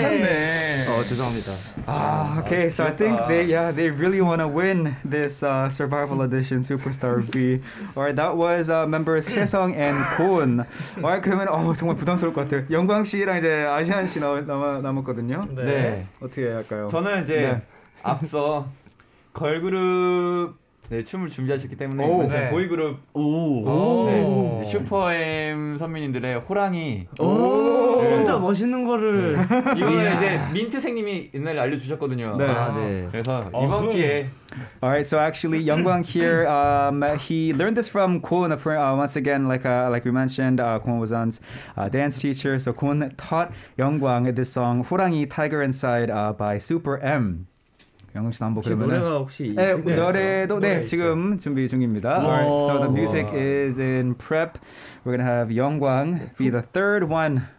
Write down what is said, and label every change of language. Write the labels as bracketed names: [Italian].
[English] Okay, so I think they really want to win this Survival Edition Superstar V. Alright, that was members 혜성 and Kun. Alright, [Korean] 그러면 정말 부담스러울 것 같아요. 영광 씨랑 이제 아시안 씨 남았거든요. 네. 어떻게 할까요? 저는 이제 앞서 걸그룹 춤을 준비하셨기 때문에 이제 보이그룹 슈퍼엠 선배님들의 호랑이. 혼자 멋있는 거를 이거는 이제 민트생님이 옛날에 알려주셨거든요. 네. 그래서 이번 기회. [English] Alright, so actually, Youngwang here, he learned this from Kun. Once again, like we mentioned, Kun was on dance teacher. So Kun taught Youngwang this song, "호랑이 Tiger Inside" by Super M. [Korean] 영광 씨 한번 보면은 노래가 혹시 네, 노래도 네 노래 지금 준비 중입니다. [English] Alright, so the music is in prep. We're gonna have Youngwang be the third one.